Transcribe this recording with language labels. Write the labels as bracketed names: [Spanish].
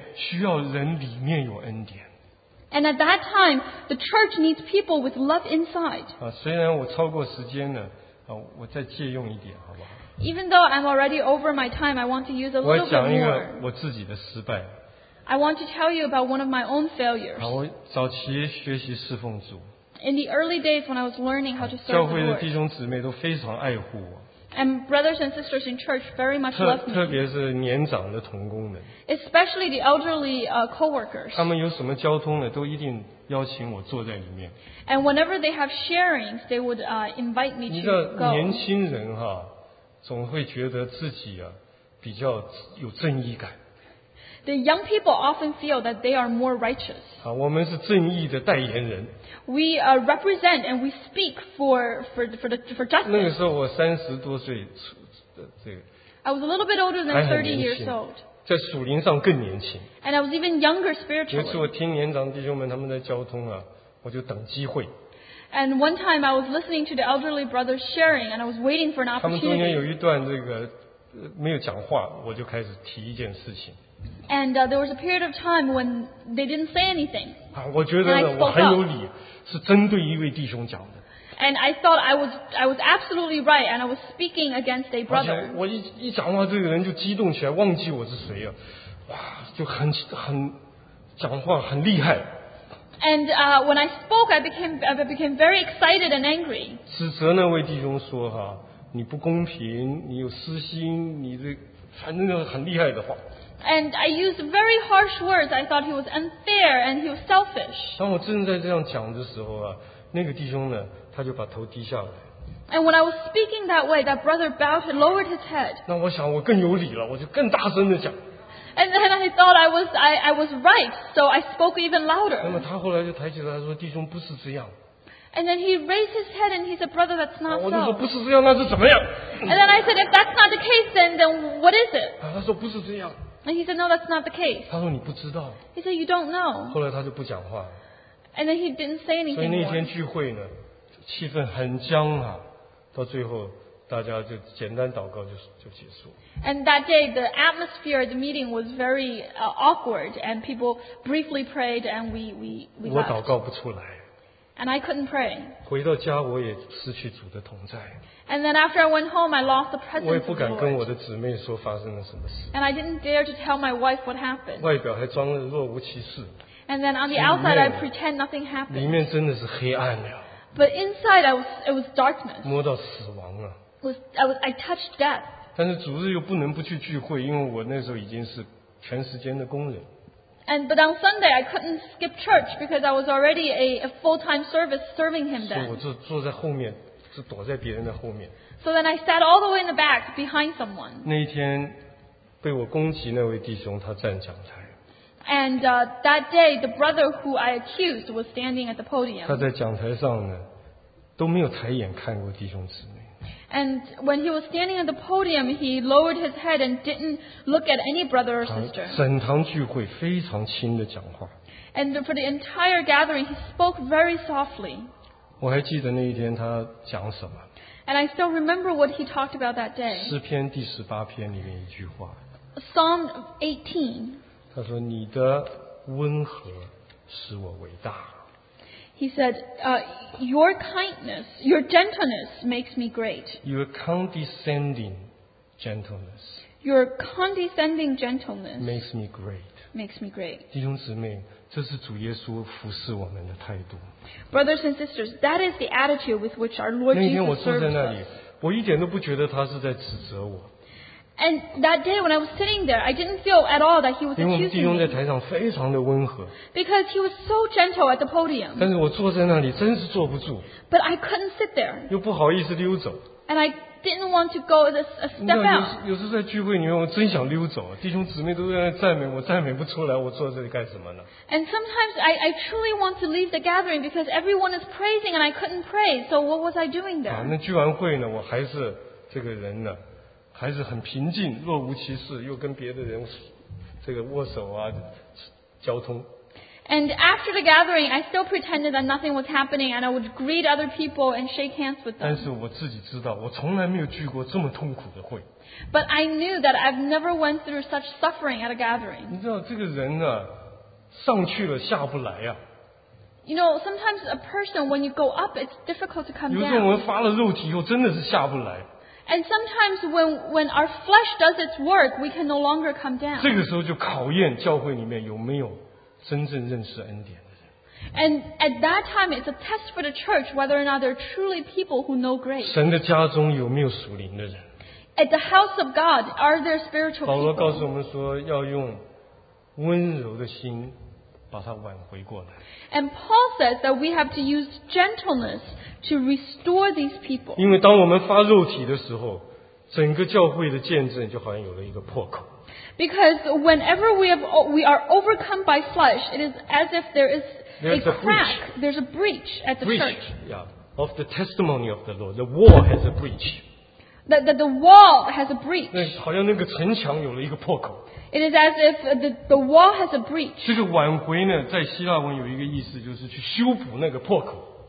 [Chinese] 这时候教会里面需要人里面有恩典。 [English] And at that time, the church needs people with love inside. [Chinese] 虽然我超过时间了，我再借用一点，好不好？ [English] Even though I'm already over my time, I want to use a little bit more. [Chinese] 我讲一个我自己的失败。 [English] I want to tell you about one of my own failures. [Chinese] 我早期学习侍奉主。 [English] In the early days when I was learning how to serve the Lord. [Chinese] 教会的弟兄姊妹都非常爱护我。 [English] And brothers and sisters in church very much love me. [Chinese] 特别是年长的同工们。 [English] Especially the elderly co-workers. [Chinese] 他们有什么交通呢，都一定邀请我坐在里面。 [English] And whenever they have sharings, they would invite me to go. [Chinese] 你知道年轻人哈, 总会觉得自己啊比较有正义感。 [English] The young people often feel that they are more righteous. [Chinese] 啊，我们是正义的代言人。 [English] We represent and we speak for justice. [Chinese] 那个时候我三十多岁，这个。 [English] I was a little bit older than 30 years old. [Chinese] 在属灵上更年轻。 [English] And I was even younger spiritually. [Chinese] 有一次我听年长弟兄们他们在交通啊，我就等机会。 [English] And one time I was listening to the elderly brothers sharing, and I was waiting for an opportunity. [Chinese] 他们中间有一段这个没有讲话，我就开始提一件事情。 [English] And there was a period of time when they didn't say anything. [Chinese] 啊，我觉得我很有理，是针对一位弟兄讲的。 [English] And I thought I was absolutely right, and I was speaking against a brother. [Chinese] 而且我一讲话，这个人就激动起来，忘记我是谁了，哇，就很讲话很厉害。 [English] And when I spoke, I became very excited and angry. [Chinese] 指责那位弟兄说哈，你不公平，你有私心，你这反正就很厉害的话。 [English] And I used very harsh words. I thought he was unfair and he was selfish. [Chinese] 当我正在这样讲的时候啊，那个弟兄呢，他就把头低下来。 [English] And when I was speaking that way, that brother bowed and lowered his head. [Chinese] 那我想我更有理了，我就更大声的讲。 [English] And then I thought I was right, so I spoke even louder. [Chinese] 那么他后来就抬起来说，弟兄不是这样。 [English] And then he raised his head and he said, brother, that's not so. [Chinese] 我就说不是这样，那是怎么样？ [English] And then I said, if that's not the case, then what is it? [Chinese] 啊，他说不是这样。 [English] And he said, no, that's not the case. [Chinese] 他说你不知道。 [English] He said, you don't know. [Chinese] 后来他就不讲话。 [English] And then he didn't say anything. [Chinese] 所以那天聚会呢，气氛很僵啊，到最后大家就简单祷告就结束。 [English] And that day, the atmosphere at the meeting was very awkward, and people briefly prayed, and we [Chinese] 我祷告不出来。 [English] And I couldn't pray. [Chinese] 回到家我也失去主的同在。 [English] And then after I went home, I lost the presence of the Lord. [Chinese] 我也不敢跟我的姊妹说发生了什么事。 [English] And I didn't dare to tell my wife what happened. [Chinese] 外表还装得若无其事。 [English] And then on the outside, I pretend nothing happened. [Chinese] 里面真的是黑暗了。 [English] But inside, it was darkness. [Chinese] 摸到死亡了。 [English] I touched death. [Chinese] 但是主日又不能不去聚会，因为我那时候已经是全时间的工人。 [English] But on Sunday, I couldn't skip church because I was already a full-time service serving him then. [Chinese] 所以我就坐在后面，是躲在别人的后面。 [English] So then I sat all the way in the back behind someone. [Chinese] 那一天被我攻击那位弟兄，他站讲台。 [English] And that day, the brother who I accused was standing at the podium. [Chinese] 他在讲台上呢，都没有抬眼看过弟兄姊妹。 [English] And when he was standing at the podium, he lowered his head and didn't look at any brother or sister. [Chinese] 整堂聚会非常轻的讲话。 [English] And for the entire gathering, he spoke very softly. [Chinese] 我还记得那一天他讲什么。 [English] And I still remember what he talked about that day. [Chinese] 诗篇第十八篇里面一句话。 [English] Psalm 18. [Chinese] 他说：“你的温和使我伟大。” [English] He said, your kindness, your gentleness makes me great. Your condescending gentleness. Your condescending gentleness makes me great. Makes me great. [Chinese] 弟兄姊妹，这是主耶稣服侍我们的态度。 [English] Brothers and sisters, that is the attitude with which our Lord Jesus serves us. [Chinese] 那天我坐在那里，我一点都不觉得他是在指责我。 [English] And that day when I was sitting there, I didn't feel at all that he was accusing me. [Chinese] 因为我们弟兄在台上非常的温和。 [English] Because he was so gentle at the podium. [Chinese] 但是我坐在那里真是坐不住。 [English] But I couldn't sit there. [Chinese] 又不好意思溜走。 [English] And I didn't want to go a step out. [Chinese] 有时候在聚会里面，我真想溜走。弟兄姊妹都在赞美，我赞美不出来，我坐在这里干什么呢？ [English] And sometimes I truly want to leave the gathering because everyone is praising and I couldn't praise. So what was I doing there? [Chinese] 那聚完会呢，我还是这个人呢。还是很平静，若无其事，又跟别的人这个握手啊，交通。 [English] And after the gathering, I still pretended that nothing was happening, and I would greet other people and shake hands with them. [Chinese] 但是我自己知道，我从来没有聚过这么痛苦的会。 [English] But I knew that I've never went through such suffering at a gathering. [Chinese] 你知道这个人呢、啊，上去了下不来呀、啊。 [English] You know, sometimes a person when you go up, it's difficult to come down. [Chinese] 有时候我们发了肉体以后，真的是下不来。 [English] And sometimes when our flesh does its work, we can no longer come down. [Chinese] 这个时候就考验教会里面有没有真正认识恩典的人。 [English] And at that time, it's a test for the church whether or not they're truly people who know grace. [Chinese] 神的家中有没有属灵的人？ [English] At the house of God, are there spiritual people? [Chinese] 保罗告诉我们说，要用温柔的心把它挽回过来。 [English] And Paul says that we have to use gentleness to restore these people. [Chinese] 因为当我们发肉体的时候，整个教会的见证就好像有了一个破口。 [English] Because whenever we are overcome by flesh, it is as if there is a crack, there's a breach at the church. Yeah, of the testimony of the Lord, the wall has a breach. The wall has a breach. [Chinese] 好像那个城墙有了一个破口。 [English] It is as if the wall has a breach. [Chinese] 这个挽回呢，在希腊文有一个意思，就是去修补那个破口。